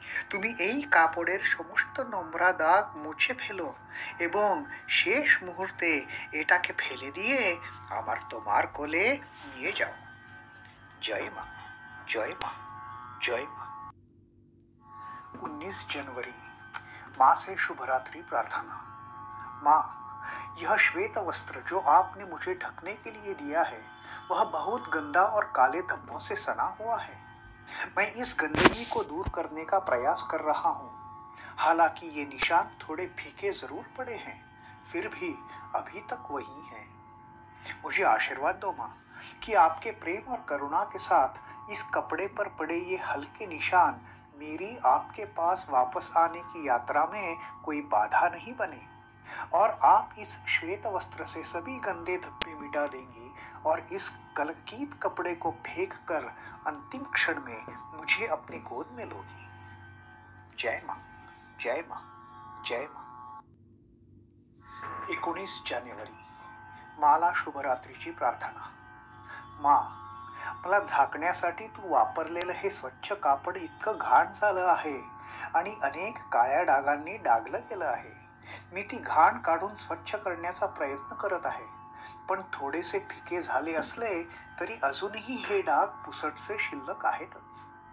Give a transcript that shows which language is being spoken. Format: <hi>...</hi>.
<bn>তুমি এই কাপড়ের সমস্ত নোংরা দাগ মুছে ফেলো এবং শেষ মুহূর্তে এটাকে ফেলে দিয়ে আমার তোমার কোলে নিয়ে যাও। জয় মা, জয় মা, জয় মা। 19 January, মা সে শুভরাত্রি প্রার্থনা।</bn> <hi>माँ, यह श्वेत वस्त्र जो आपने मुझे ढकने के लिए दिया है, वह बहुत गंदा और काले धब्बों से सना हुआ है। मैं इस गंदगी को दूर करने का प्रयास कर रहा हूँ। हालांकि ये निशान थोड़े फीके जरूर पड़े हैं, फिर भी अभी तक वही हैं। मुझे आशीर्वाद दो माँ कि आपके प्रेम और करुणा के साथ इस कपड़े पर पड़े ये हल्के निशान मेरी आपके पास वापस आने की यात्रा में कोई बाधा नहीं बने, और आप इस श्वेत वस्त्र से सभी गंदे धब्बे मिटा देंगी और इस कलंकित कपड़े को फेंक कर अंतिम क्षण में मुझे अपनी गोद में लोगी। जय मां, जय मां, जय मां।</hi> <mr>19 January, माला शुभरात्रीची प्रार्थना। मां, मला झाकण्यासाठी तू वापरलेलं हे स्वच्छ कापड इतकं घाण झालं आहे आणि अनेक काळ्या डागांनी डागलं गेलं आहे। मी ती घाण काढून स्वच्छ करण्याचा प्रयत्न करत आहे, पण थोडेसे फिके झाले असले तरी अजूनही हे डाग पुसटसे शिल्लक आहेतच।</mr>